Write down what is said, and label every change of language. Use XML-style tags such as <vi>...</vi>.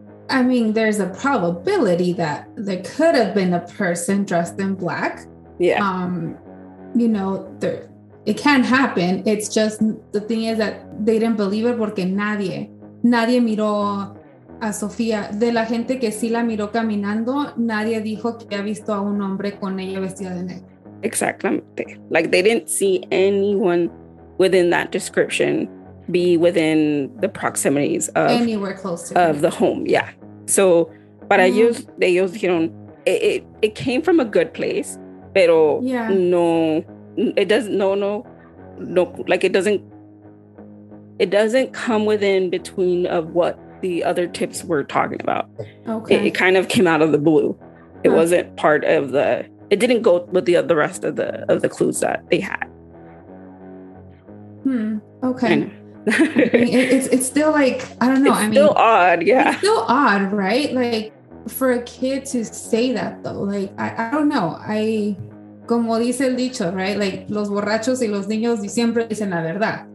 <en>I mean, there's a probability that there could have been a person dressed in black. Yeah. It can happen. It's just the thing is that they didn't believe it</en> <es>porque nadie miró a Sofía. De la gente que sí la miró caminando, nadie dijo que ha visto a un hombre con ella vestida de negro. Exactamente.</es> <en>They didn't see anyone within that description be within the proximities of anywhere close to of the home. Yeah. So,</en> <es>para ellos dijeron,</es> <en>it came from a good place,</en> <es>pero</es> <en>it doesn't come within between of what the other tips were talking about. Okay. It kind of came out of the blue. It wasn't part of the. It didn't go with the rest of the clues that they had. Okay. It's still I don't know. It's still odd. Yeah. It's still odd, right? For a kid to say that though, I don't know.</en> <es>I, como dice el dicho,</es> <en>right?</en> <es>Los borrachos y los niños siempre dicen la verdad.</es>